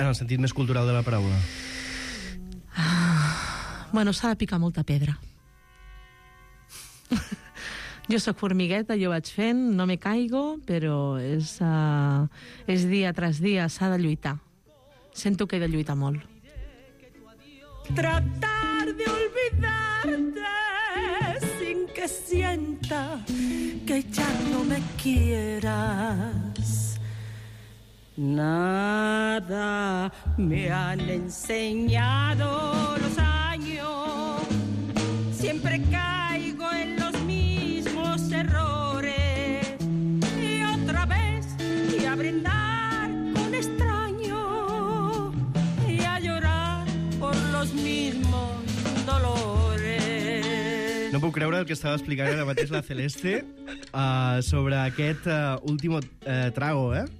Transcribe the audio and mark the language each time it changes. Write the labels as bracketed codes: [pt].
[ca] En el sentit més cultural de la paraula. Bueno, s'ha de picar molta pedra. Jo sóc formigueta, jo vaig fent, [es] no me caigo, [ca] però és dia tras dia, s'ha de lluitar. Sento que he de lluitar molt. [es] Tratar de olvidarte sin que sienta que ya no me quieras. Nada me han enseñado los años. Siempre caigo en los errores y otra vez y a brindar con extraño y a llorar por los mismos dolores. [ca] No puc creure el que estava explicant ara mateix la Celeste sobre aquest último trago, eh?